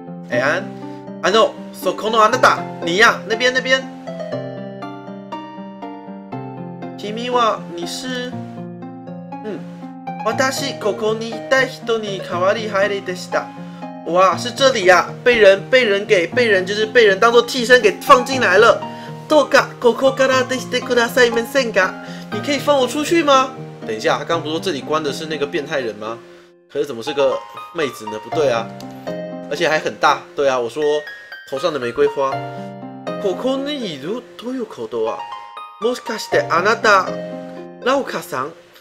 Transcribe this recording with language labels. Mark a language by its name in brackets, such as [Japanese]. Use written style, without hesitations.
[Chinese] 哎呀， [Japanese] あの、そこのあなた、 [Chinese] 你呀、啊，那边。 [Japanese] 君は、 [Chinese] 你是？ [Japanese] 嗯，私ここにいた人に代わり入りでした。 [Chinese] 哇，是这里呀、啊！被人就是被人当做替身给放进来了。 [Japanese] どうかここから出してくださいませんか？ [Chinese] 你可以放我出去吗？等一下，他刚不是说这里关的是那个变态人吗？可是怎么是个妹子呢？不对啊，而且还很大。对啊，我说头上的玫瑰花。 [Japanese] ここにいるということは、もしかしてあなた、ラオカさん？